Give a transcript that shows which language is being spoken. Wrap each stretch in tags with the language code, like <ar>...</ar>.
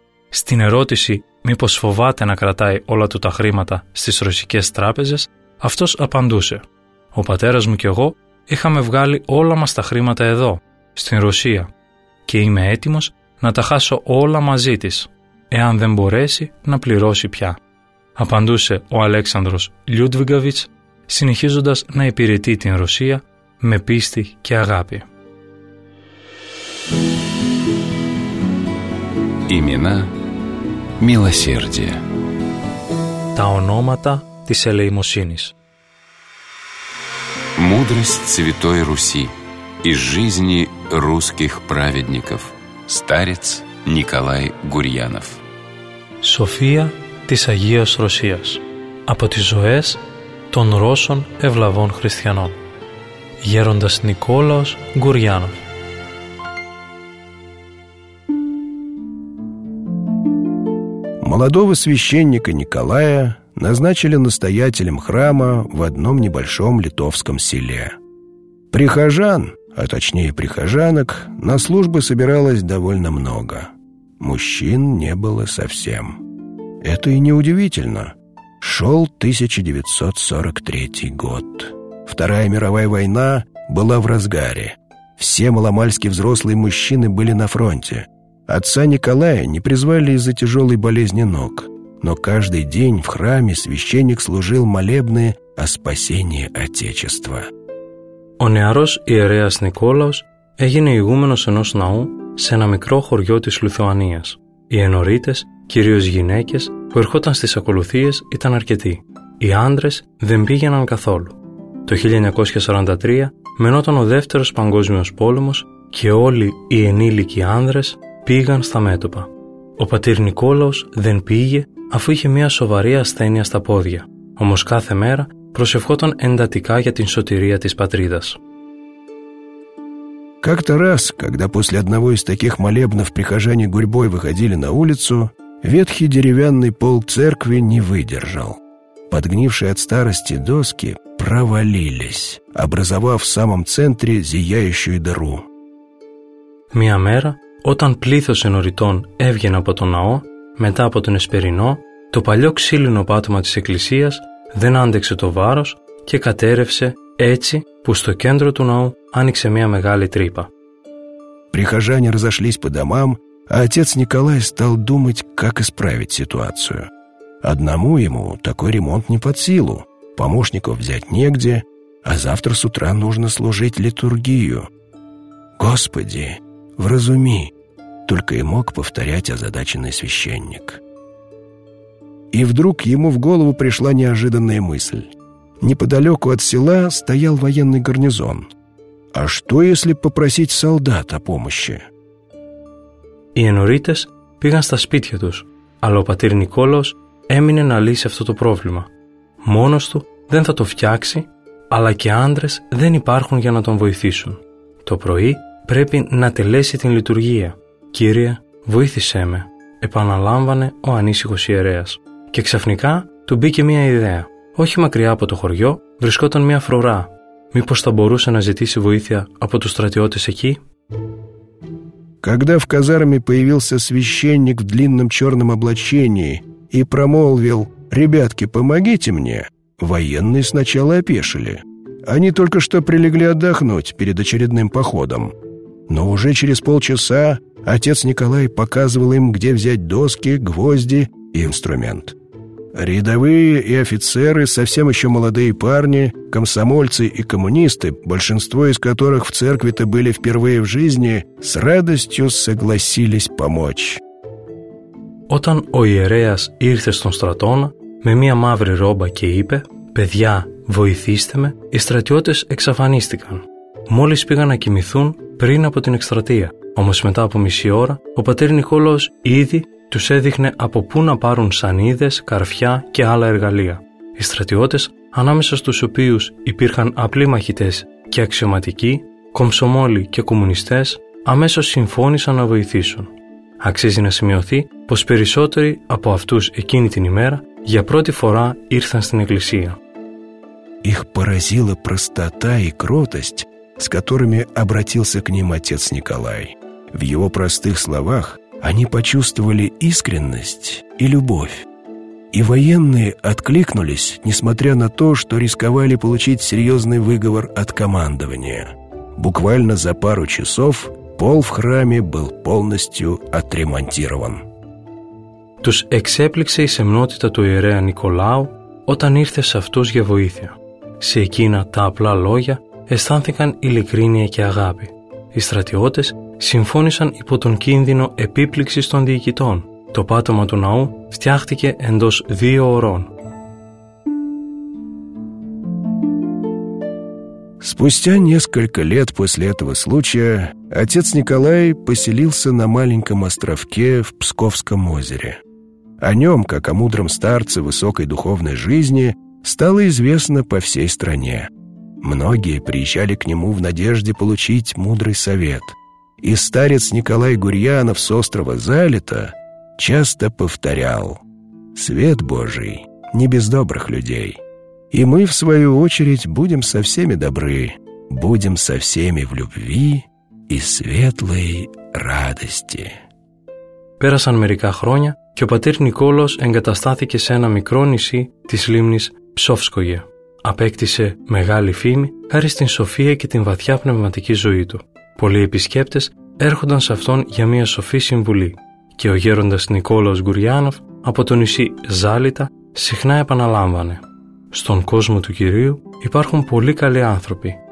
<el>Στην ερώτηση μήπως φοβάται να κρατάει όλα του τα χρήματα στις ρωσικές τράπεζες, αυτός απαντούσε «Ο πατέρας μου και εγώ είχαμε βγάλει όλα μας τα χρήματα εδώ, στην Ρωσία, και είμαι έτοιμος να τα χάσω όλα μαζί της, εάν δεν μπορέσει να πληρώσει πια», απαντούσε ο Αλέξανδρος Λιούντβιγκαβιτς, συνεχίζοντας να υπηρετεί την Ρωσία με πίστη και αγάπη.</el> <ru>Имена милосердия.</ru> <el>Τα ονόματα της ελεημοσύνης.</el> <ru>Мудрость Святой Руси из жизни русских праведников. Старец Николай Гурьянов.</ru> <el>Σοφία της Αγίας Ρωσίας από τις ζωές των Ρώσων ευλαβών χριστιανών. Γέροντας Νικόλαος Γκουριάνοφ.</el> <ru>Молодого священника Николая назначили настоятелем храма в одном небольшом литовском селе. Прихожан, а точнее прихожанок, на службы собиралось довольно много. Мужчин не было совсем. Это и неудивительно. Шел 1943 год. Вторая мировая война была в разгаре. Все маломальски взрослые мужчины были на фронте. Отца Николая не призвали из-за тяжелой болезни ног, но каждый день в храме священник служил молебны о спасении Отечества.</ru> <el>Ο νεαρός ιερέας Νικόλαος έγινε ηγούμενος ενός ναού σε ένα μικρό χωριό της Λιθουανίας. Οι ενωρίτες, κυρίως γυναίκες, που ερχόταν στις ακολουθίες ήταν αρκετοί. Οι άντρες δεν πήγαιναν καθόλου. Το 1943 μενόταν ο Δεύτερος Παγκόσμιος Πόλεμος και όλοι οι ενήλικοι άνδρες πήγαν στα μέτωπα. Ο πατήρ Νικόλαος δεν πήγε αφού είχε μια σοβαρή ασθένεια στα πόδια. Όμως κάθε μέρα προσευχόταν εντατικά για την σωτηρία της πατρίδας.</el> <ru>Как-то раз, когда после одного из таких молебнов прихожане гурьбой выходили на улицу, ветхий деревянный пол церкви не выдержал. Подгнившие от старости доски провалились, образовав в самом центре зияющую дыру.</ru> <el>Μια μέρα, όταν πλήθος ενωρητών έβγαινε από τον ναό, μετά από τον Εσπερινό, το παλιό ξύλινο πάτωμα της εκκλησίας δεν άντεξε το βάρος και κατέρευσε έτσι που στο κέντρο του ναού άνοιξε μια μεγάλη τρύπα.</el> <ru>Прихожане разошлись по домам, а отец Николай стал думать, как исправить ситуацию. Одному ему такой ремонт не под силу, помощников взять негде, а завтра с утра нужно служить литургию. Господи! «Вразуми!» — только и мог повторять озадаченный священник. И вдруг ему в голову пришла неожиданная мысль. Неподалеку от села стоял военный гарнизон. А что, если попросить солдат о помощи?</ru> <el>Οι ενωρίτες πήγαν στα σπίτια τους, αλλά ο πατήρ Νικόλαος έμεινε να λύσει αυτό το πρόβλημα. Μόνος του δεν θα το φτιάξει, αλλά και άντρες δεν υπάρχουν για να τον βοηθήσουν. Το πρωί πρέπει να τελέσει την λειτουργία. «Κύριε, βοήθησέ με», επαναλάμβανε ο ανήσυχος ιερέας. Και ξαφνικά του μπήκε μια ιδέα. Όχι μακριά από το χωριό βρισκόταν μια φρουρά. Μήπως θα μπορούσε να ζητήσει βοήθεια από τους στρατιώτες εκεί?</el> <ru>Когда в казарме появился священник в длинном черном облачении и промолвил «Ребятки, помогите мне», военные сначала опешили. Они только что прилегли отдохнуть перед очередным походом. Но уже через полчаса отец Николай показывал им, где взять доски, гвозди и инструмент. Рядовые и офицеры, совсем еще молодые парни, комсомольцы и коммунисты, большинство из которых в церкви-то были впервые в жизни, с радостью согласились помочь.</ru> <el>Όταν ο ιερέας ήρθε στον στρατόνα με μια μαύρη ρόμπα και είπε «Παιδιά, βοηθήστε με», οι στρατιώτες εξαφανίστηκαν. Μόλις πήγαν να κοιμηθούν πριν από την εκστρατεία. Όμως μετά από μισή ώρα, ο πατήρ Νικόλαος ήδη τους έδειχνε από πού να πάρουν σανίδες, καρφιά και άλλα εργαλεία. Οι στρατιώτες, ανάμεσα στους οποίους υπήρχαν απλοί μαχητές και αξιωματικοί, κομσομόλοι και κομμουνιστές, αμέσως συμφώνησαν να βοηθήσουν. Αξίζει να σημειωθεί πως περισσότεροι από αυτούς εκείνη την ημέρα για πρώτη φορά ήρθαν στην εκκλησία.</el> <ru>Их поразила простота и кротость, с которыми обратился к ним отец Николай. В его простых словах они почувствовали искренность и любовь. И военные откликнулись, несмотря на то, что рисковали получить серьезный выговор от командования. Буквально за пару часов пол в храме был полностью отремонтирован.</ru> <el>Тус эксеплексе и семнотита ту ирея Николау, отан ирте с автус για βοήθεια. Σε εκείνα τα απλά λόγια αισθάνθηκαν ειλικρίνεια και αγάπη. Οι στρατιώτες συμφώνησαν υπό τον κίνδυνο επίπληξης των διοικητών. Το πάτωμα του ναού φτιάχτηκε εντός 2 ώρων.</el> <ru>Спустя несколько лет после этого случая отец Николай поселился на маленьком островке в Псковском озере. О нем, как о мудром старце высокой духовной жизни, стало известно по всей стране. Многие приезжали к нему в надежде получить мудрый совет. И старец Николай Гурьянов с острова Залита часто повторял: «Свет Божий не без добрых людей. И мы, в свою очередь, будем со всеми добры, будем со всеми в любви и светлой радости».</ru> <el>Пέρασαν μερικά χρόνια και ο πατήρ Νικόλος εγκαταστάθηκε σε ένα μικρό νησί της λίμνης Ψόφσκογε. Απέκτησε μεγάλη φήμη χάρη στην σοφία και την βαθιά πνευματική ζωή του. Πολλοί επισκέπτες έρχονταν σε αυτόν για μια σοφή συμβουλή και ο γέροντας Νικόλαος Γκουριάνοφ από το νησί Ζάλιτα συχνά επαναλάμβανε «Στον κόσμο του Κυρίου υπάρχουν πολύ καλοί άνθρωποι.</el>